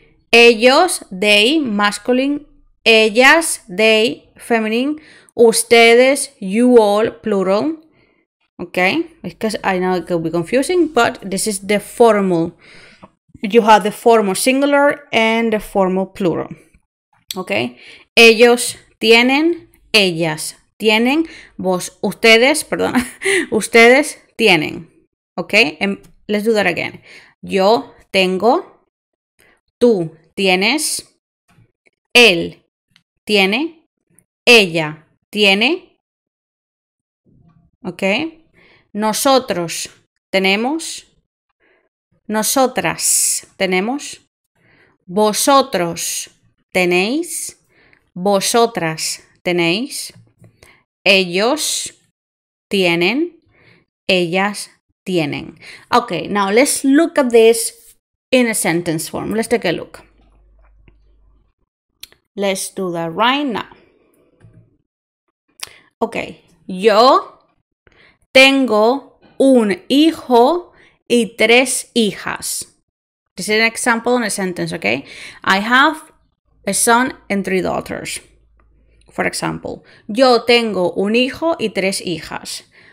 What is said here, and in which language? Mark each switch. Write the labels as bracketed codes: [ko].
[en] Ellos, they, masculine. Ellas, they, feminine. Ustedes, you all, plural. Okay, because I know it could be confusing, but this is the formal. You have the formal singular and the formal plural. Okay. [es] Ellos tienen, ellas tienen, vos, ustedes, perdón, ustedes tienen. Okay. [en] And let's do that again. [es] Yo tengo, tú tienes, él tiene, ella tiene. Okay. Nosotros tenemos. Nosotras tenemos, vosotros tenéis, vosotras tenéis, ellos tienen, ellas tienen. [en] Okay, now let's look at this in a sentence form. Let's take a look. Let's do that right now. [es] Okay, yo tengo un hijo y tres hijas. [en] This is an example in a sentence, okay? I have a son and three daughters. For example, [es] yo tengo un hijo y tres hijas.